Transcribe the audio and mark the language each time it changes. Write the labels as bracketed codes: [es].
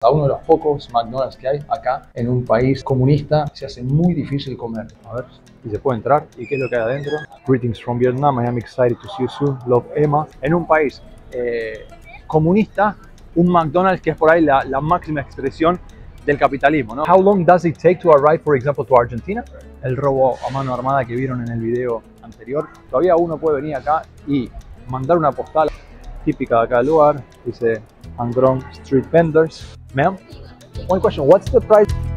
[es] A uno de los pocos McDonald's que hay acá en un país comunista se hace muy difícil comer. A ver si se puede entrar y qué es lo que hay adentro. [en] Greetings from Vietnam, I am excited to see you soon. Love, Emma. [es] En un país comunista, un McDonald's que es por ahí la máxima expresión del capitalismo, ¿no? [en] How long does it take to arrive, for example, to Argentina? [es] El robo a mano armada que vieron en el video anterior. Todavía uno puede venir acá y mandar una postal típica de acá del lugar. Dice Andron Street Vendors. [en] Ma'am, one question, what's the price?